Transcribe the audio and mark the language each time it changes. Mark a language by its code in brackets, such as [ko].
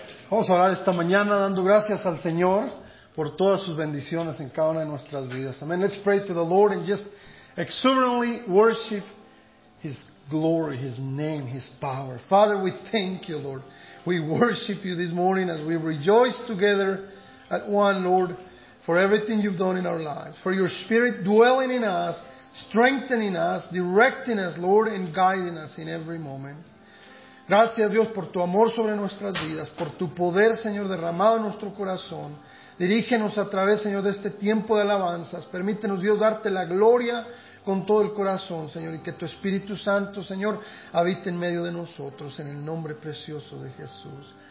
[es] Vamos a orar esta mañana dando gracias al Señor por todas sus bendiciones en cada una de nuestras vidas. Amén. [en] Let's pray to the Lord and just exuberantly worship His glory, His name, His power. Father, we thank you, Lord. We worship you this morning as we rejoice together at one, Lord, for everything you've done in our lives, for your Spirit dwelling in us, strengthening us, directing us, Lord, and guiding us in every moment. [es] Gracias, Dios, por tu amor sobre nuestras vidas, por tu poder, Señor, derramado en nuestro corazón. Dirígenos a través, Señor, de este tiempo de alabanzas. Permítenos, Dios, darte la gloria con todo el corazón, Señor, y que tu Espíritu Santo, Señor, habite en medio de nosotros, en el nombre precioso de Jesús.